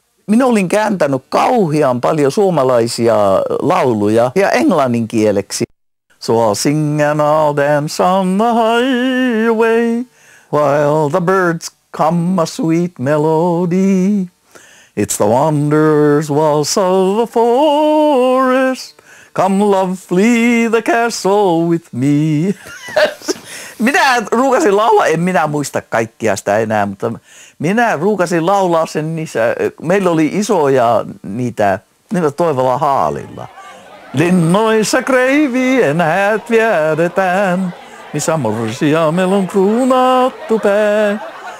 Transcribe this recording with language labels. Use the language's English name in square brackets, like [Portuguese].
[Finnish] Minä olin kääntänyt kauhean paljon suomalaisia lauluja ja englannin kieleksi. [English] So I'll sing and I'll dance on the highway, while the birds come a sweet melody. It's the wanderer's waltz of the forest. Come love, flee the castle with me. [Finnish] Minä ruukasin laulaa, en minä muista kaikkia sitä enää, mutta minä ruukasin laulaa sen niissä. Meillä oli isoja niitä Toivolan haalilla. Linnoissa kreivien häät vierdetään, missä morsiamel on kruunattu pää.